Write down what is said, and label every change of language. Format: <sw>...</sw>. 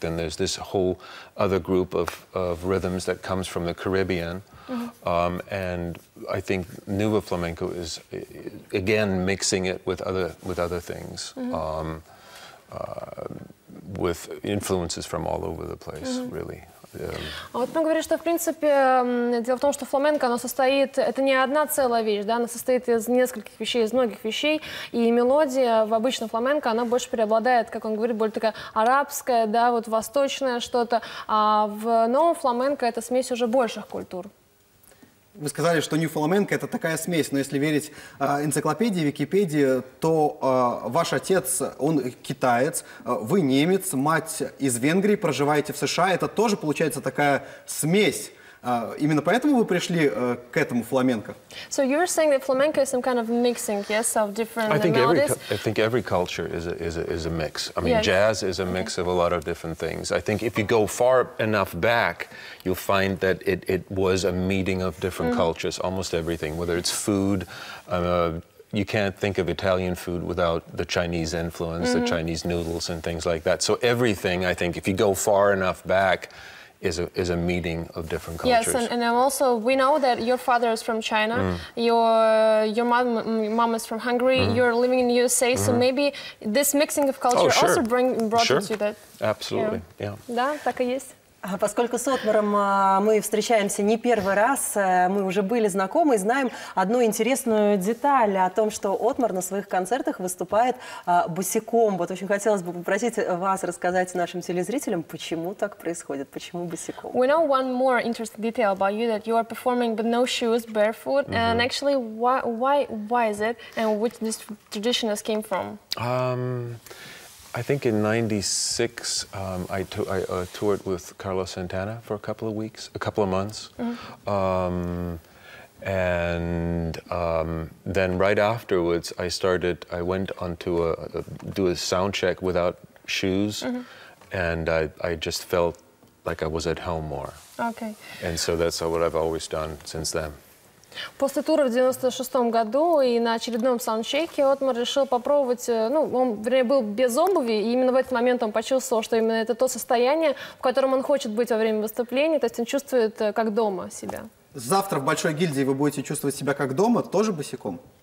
<en>Then there's this whole other group of rhythms that comes from the Caribbean. Mm-hmm. And I think Nueva Flamenco is again mixing it with other things. Mm-hmm. With influences from all over the place, mm-hmm. really. Yeah.</en> <ru>Вот мы говорим, что в принципе дело в том, что фламенко, оно состоит, это не одна целая вещь, да, она состоит из нескольких вещей, из многих вещей, и мелодия в обычном фламенко, она больше преобладает, как он говорит, более такая арабская, да, вот восточное что-то, а в новом фламенко это смесь уже больших культур. Вы сказали, что new flamenco это такая смесь, но если верить энциклопедии, Википедии, то ваш отец, он китаец, вы немец, мать из Венгрии, проживаете в США, это тоже получается такая смесь. Именно поэтому вы пришли к этому фламенко.</ru> <en>So you were saying that flamenco is some kind of mixing, yes, of different melodies. I think every culture is a mix. I mean, yeah, jazz is a mix of a lot of different things. I think if you go far enough back, you'll find that it was a meeting of different mm-hmm. cultures, almost everything, whether it's food. You can't think of Italian food without the Chinese influence, mm-hmm. the Chinese noodles and things like that. So everything, I think, if you go far enough back, is a meeting of different cultures. Yes, and also we know that your father is from China, your mom is from Hungary, you're living in the USA, mm-hmm. so maybe this mixing of culture also brought sure. to you that. Absolutely, yeah.</en> <ru>Да, так и есть. Поскольку с Отмаром мы встречаемся не первый раз, мы уже были знакомы и знаем одну интересную деталь о том, что Отмар на своих концертах выступает босиком. Вот очень хотелось бы попросить вас рассказать нашим телезрителям, почему так происходит, почему босиком.</ru> <en>We know one more interesting detail about you, that you are performing with no shoes, barefoot. Mm-hmm. And actually, why is it, and which this tradition has came from? I think in 96 I toured with Carlos Santana for a couple of months. Mm-hmm. Then right afterwards I went to do a sound check without shoes. Mm-hmm. And I just felt like I was at home more. Okay. And so that's what I've always done since then.</en> <ru>После тура в 96 году и на очередном саундчеке Отмар решил попробовать, ну, он, вернее, был без обуви, и именно в этот момент он почувствовал, что именно это то состояние, в котором он хочет быть во время выступления, то есть он чувствует как дома себя. Завтра в Большой гильдии вы будете чувствовать себя как дома, тоже босиком?</ru>